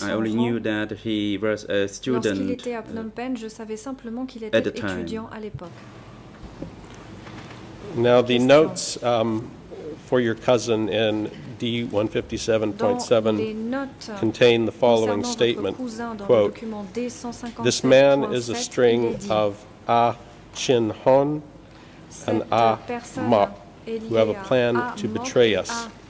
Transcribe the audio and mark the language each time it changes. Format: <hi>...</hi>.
<en>I only knew that he was a student</en> <fr>à Phnom Penh, je savais simplement qu'il était étudiant à l'époque.</fr> <en>Now the notes for your cousin in D-157.7 contain the following statement, quote, this man is a string of A Chin Hon and A Mok, who have a plan to betray us.</en>